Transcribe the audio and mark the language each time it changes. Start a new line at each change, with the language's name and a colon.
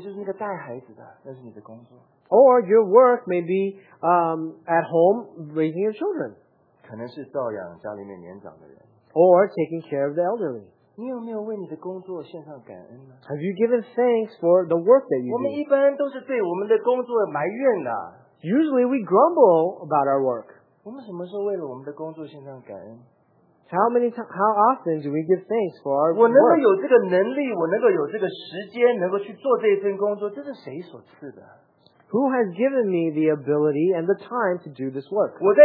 Chinese: 或者是你在家里面就是那个带孩子的，那是你的工作。
English: Or your work may be at home raising your children.
Chinese: 可能是照养家里面年长的人。
English: Or taking care of the elderly.
Chinese: 你有没有为你的工作献上感恩呢？
English: Have you given thanks for the work that you do?
Chinese: 我们一般都是对我们的工作埋怨的。
English: Usually we grumble about our work.
Chinese: 我们什么时候为了我们的工作献上感恩？
English: How often do we give thanks for our work?
Chinese: 我能够有这个能力，我能够有这个时间，能够去做这份工作，这是谁所赐的？
English: Who has given me the ability and the time to do this work?